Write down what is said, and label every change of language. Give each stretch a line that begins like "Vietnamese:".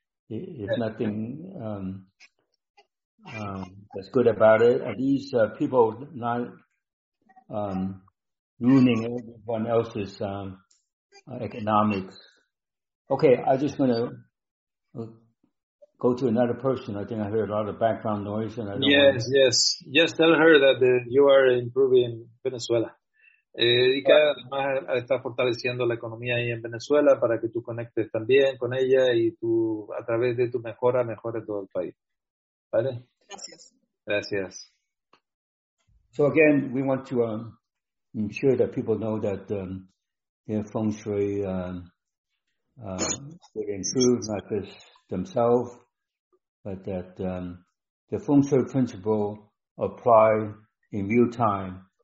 English: If nothing that's good about it, at least people not ruining everyone else's economics. Okay, I'm just going to go to another person. I think I heard a lot of background noise. And I don't Yes. Tell her that you are improving Venezuela.
Spanish: Erika, además, está fortaleciendo la economía ahí en Venezuela para que tú conectes también con ella y tú, a través de tu mejora, mejores todo el país. ¿Vale? Gracias.
English: So again, we want to ensure that people know that their feng shui would improve, not just themselves, but that the feng shui principle apply in real time.